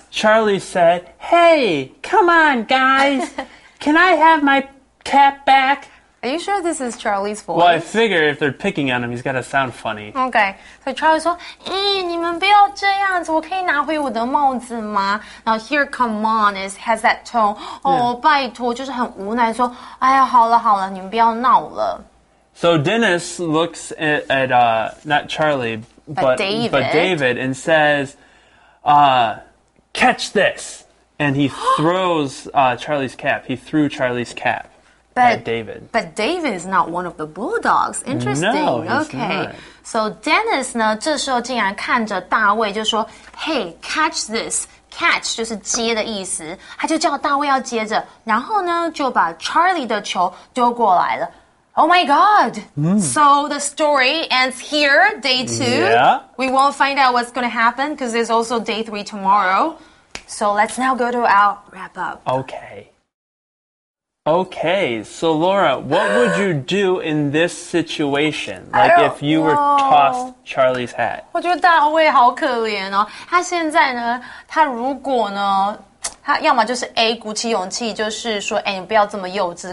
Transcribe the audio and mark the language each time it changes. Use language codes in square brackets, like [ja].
[en] Charlie said, hey, come on, guys. Can I have my cap back? Are you sure this is Charlie's voice? Well, I figure if they're picking on him, he's got to sound funny. Okay. So [zh] Charlie 说，你们不要这样子，我可以拿回我的帽子吗？ [en] Now, here, come on, is, has that tone. Oh, yeah. [zh] 拜托，就是很无奈说，哎呀，好了好了，你们不要闹了。 [en] So Dennis looks at not Charlie, but David, and says, catch this. And he throws Charlie's cap. He threw Charlie's cap. But David is not one of the Bulldogs. Interesting. No, he's okay. Not. So [zh] Dennis 呢，这时候竟然看着大卫就说 ， [en] Hey, catch this. [zh] Catch 就是接的意思。他就叫大卫要接着，然后呢就把 Charlie 的球丢过来了。 [en] Oh my God!、 Mm. So the story ends here, day two. Yeah. We won't find out what's going to happen because there's also day three tomorrow. So let's now go to our wrap up. Okay. Okay, so Laura, what would you do in this situation? Like if you were tossed Charlie's hat? [zh] 我觉得大卫好可怜哦。他现在呢，他如果呢，他要么就是 A 鼓起勇气，就是说，哎，你不要这么幼稚。